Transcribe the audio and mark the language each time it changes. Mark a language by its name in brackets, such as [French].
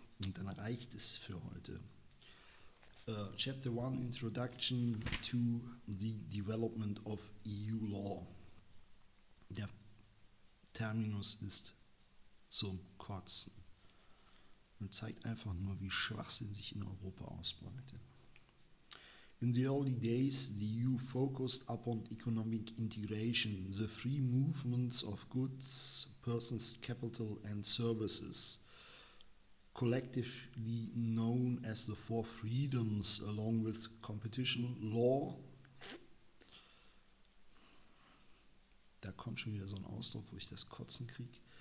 [German] Und dann reicht es für heute. [English] Chapter 1, Introduction to the Development of EU Law. [German] Der Terminus ist zum Kotzen. Und zeigt einfach nur, wie Schwachsinn sich in Europa ausbreitet. [English] In the early days, the EU focused upon economic integration, the free movements of goods, persons, capital and services. Collectively known as the Four Freedoms, along with competition law. [German] Da kommt schon wieder so ein Ausdruck, wo ich das Kotzen kriege.